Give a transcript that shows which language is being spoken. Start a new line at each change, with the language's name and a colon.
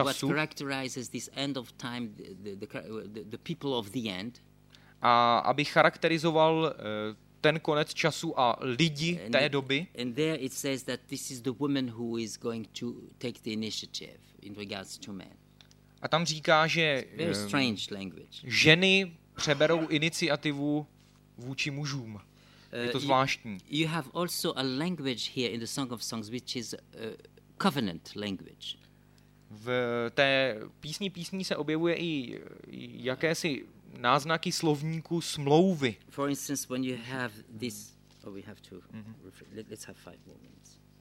English: And what characterizes this end of time, the people of the end.
Czech: A aby charakterizoval ten konec času a lidi té doby.
English: And there it says that this is the woman who is going to take the initiative. In regards to men.
Czech: A tam říká, že
English: very strange language.
Czech: Ženy přeberou iniciativu vůči mužům. Je to zvláštní.
English: You have also a language here in the Song of Songs which is covenant language.
Czech: V té písní se objevuje i jakési náznaky slovníku smlouvy.
English: For instance, when you have this we have to let's have five more minutes.